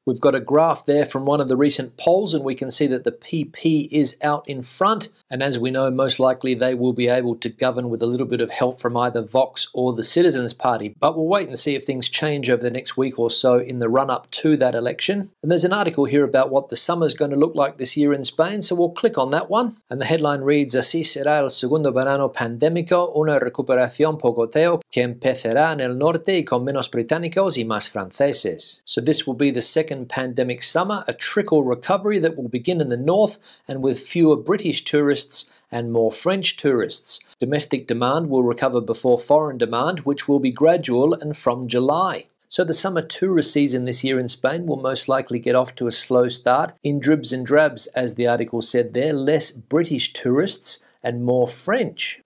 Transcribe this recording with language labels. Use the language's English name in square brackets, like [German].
[English] We've got a graph there from one of the recent polls, and we can see that the PP is out in front. And as we know, most likely they will be able to govern with a little bit of help from either Vox or the Citizens Party. But we'll wait and see if things change over the next week or so in the run-up to that election. And there's an article here about what the summer's going to look like this year in Spain, so we'll click on that one. And the headline reads, [Spanish] Así será el segundo verano pandémico, una recuperación por goteo que empezará en el norte y con menos británicos y más franceses. [English] So this will be the second pandemic summer, a trickle recovery that will begin in the north and with fewer British tourists and more French tourists. Domestic demand will recover before foreign demand, which will be gradual and from July. So the summer tourist season this year in Spain will most likely get off to a slow start in dribs and drabs, as the article said there, less British tourists and more French.